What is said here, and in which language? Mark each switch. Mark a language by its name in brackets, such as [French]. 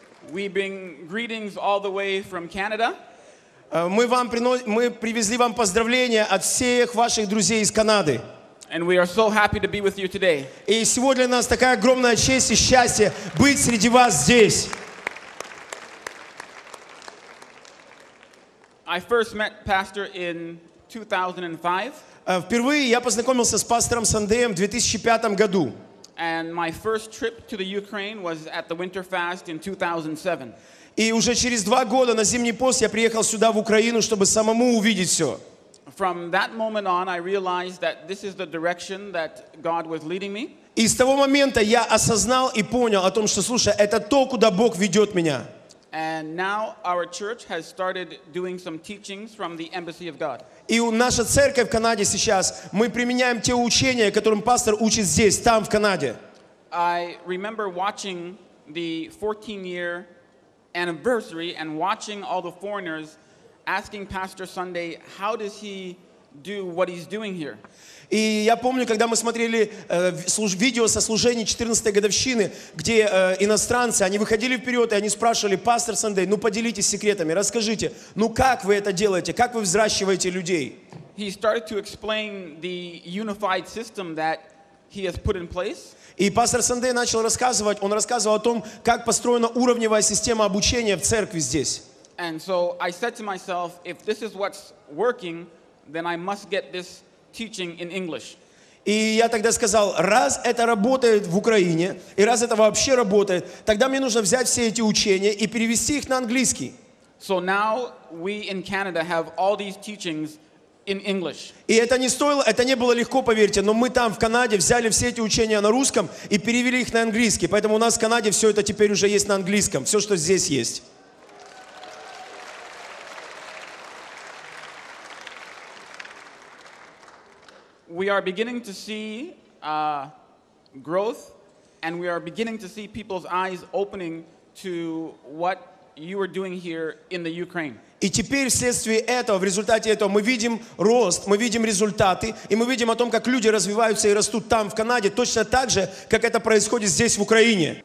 [English] We bring greetings all the way from Canada. [Russian] Мы привезли вам поздравления от всех ваших друзей из Канады. [English] And we are so happy to be with you today. [Russian] И сегодня нас такая огромная честь и счастье быть среди вас здесь. [English] I first met Pastor in 2005. [Russian] Впервые я познакомился с пастором Сандеем в 2005 году. [English] And my first trip to the Ukraine was at the Winterfest in 2007. [Russian] И уже через два года на зимний пост я приехал сюда в Украину, чтобы самому увидеть все. [English] From that moment on, I realized that this is the direction that God was leading me. [Russian] И с того момента я осознал и понял о том, что, слушай, это то, куда Бог ведет меня. [English] And now our church has started doing some teachings from the Embassy of God. [Russian] И наша церковь в Канаде сейчас, мы применяем те учения, которым пастор учит здесь, там, в Канаде. [English] I remember watching the 14-year anniversary and watching all the foreigners asking Pastor Sunday, how does he do what he's doing here? [Russian] И я помню, когда мы смотрели видео со служения 14-й годовщины, где иностранцы, они выходили вперед, и они спрашивали, пастор Сандей, ну поделитесь секретами, расскажите, ну как вы это делаете, как вы взращиваете людей? [English] He started to explain the unified system that he has put in place. [Russian] И пастор Сандей начал рассказывать, он рассказывал о том, как построена уровневая система обучения в церкви здесь. [English] And so I said to myself, if this is what's working, then I must get this teaching in English. [Russian] И я тогда сказал, раз это работает в Украине, и раз это вообще работает, тогда мне нужно взять все эти учения и перевести их на английский. [English] So now we in Canada have all these teachings in English. [Russian] И это не стоило, это не было легко, поверьте, но мы там в Канаде взяли все эти учения на русском и перевели их на английский. Поэтому у нас в Канаде все это теперь уже есть на английском, все, что здесь есть. [English] We are beginning to see growth, and we are beginning to see people's eyes opening to what you are doing here in the Ukraine. [Russian] И теперь вследствие этого, в результате этого, мы видим рост, мы видим результаты, и мы видим о том, как люди развиваются и растут там в Канаде точно так же, как это происходит здесь в Украине.